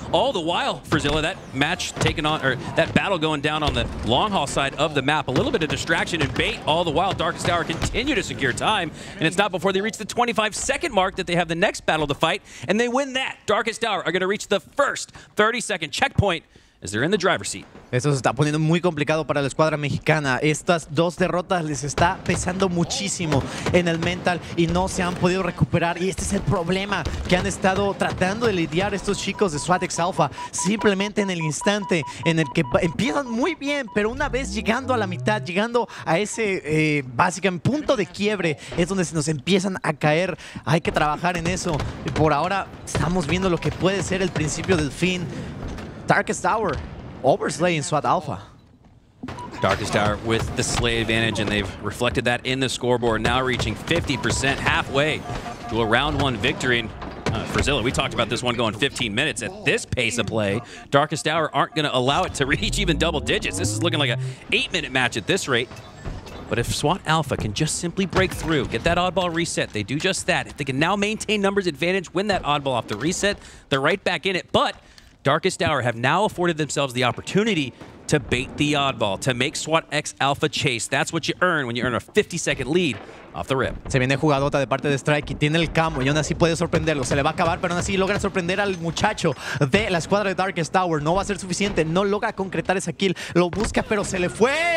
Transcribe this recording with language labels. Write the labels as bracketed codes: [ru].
[en] All the while, Frizilla, that match taken on, or that battle going down on the long haul side of the map. A little bit of distraction and bait. All the while, Darkest Hour continue to secure time. And it's not before they reach the 25-second mark that they have the next battle to fight. And they win that. Darkest Hour are going to reach the first 30-second checkpoint. Is there in the driver's seat? [es] Eso se está poniendo muy complicado para la escuadra mexicana. Estas dos derrotas les está pesando muchísimo en el mental y no se han podido recuperar. Y este es el problema que han estado tratando de lidiar estos chicos de SWAT X Alpha. Simplemente en el instante en el que empiezan muy bien, pero una vez llegando a la mitad, llegando a ese básicamente punto de quiebre, es donde se nos empiezan a caer. Hay que trabajar en eso. Y por ahora estamos viendo lo que puede ser el principio del fin. [en] Darkest Hour, overslaying SWAT Alpha. Darkest Hour with the slay advantage, and they've reflected that in the scoreboard, now reaching 50%, halfway to a round one victory. Frizilla, we talked about this one going 15 minutes. At this pace of play, Darkest Hour aren't going to allow it to reach even double digits. This is looking like an 8-minute match at this rate. But if SWAT Alpha can just simply break through, get that oddball reset, they do just that. If they can now maintain numbers advantage, win that oddball off the reset, they're right back in it. But Darkest Hour have now afforded themselves the opportunity to bait the oddball, to make SWAT X Alpha chase. That's what you earn when you earn a 50-second lead off the rip. [es] Se viene jugadota de parte de Strikeyy, tiene el camo y aún así puede sorprenderlo. Se le va a acabar, pero aún así logra sorprender al muchacho de la escuadra de Darkest Hour. No va a ser suficiente, no logra concretar esa kill. Lo busca, pero se le fue.